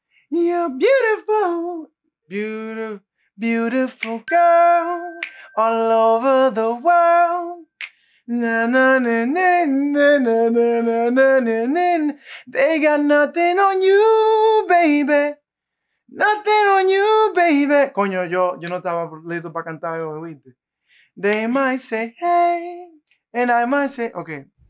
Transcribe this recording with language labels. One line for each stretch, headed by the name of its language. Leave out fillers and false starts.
English: You're beautiful, beautiful girl, all over the world. Na na na na na na na na na na na. They got nothing on you, baby. Nothing on you, baby.
Spanish: Coño, yo no estaba listo para cantar hoy, ¿viste?
English: They might say hey, and I might say okay.